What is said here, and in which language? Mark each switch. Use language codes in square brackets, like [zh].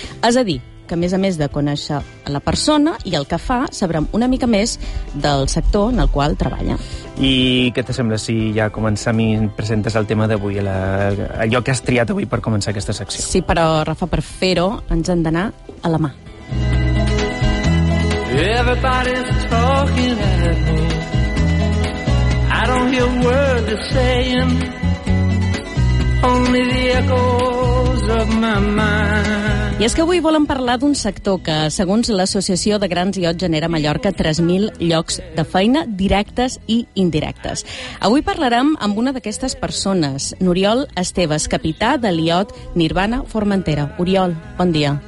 [ca] És a dir, que a més de conèixer la persona i el que fa, sabrem una mica més del sector en el qual treballa. I què te sembla si ja comencem i presentes el tema d'avui, allò que has triat avui per començar aquesta secció? Sí, però Rafa, per fer-ho ens hem d'anar a la mà. [en] Everybody's talking at me. I don't hear a word they're saying. Only the echoes of my mind. [ca] I és que avui volen parlar d'un sector que, segons l'Associació de Grans Iots Genera Mallorca, 3.000 llocs de feina directes i indirectes. Avui parlarem amb una d'aquestes persones, n'Oriol Esteves, capità de l'iot Nirvana Formentera. Oriol, bon dia.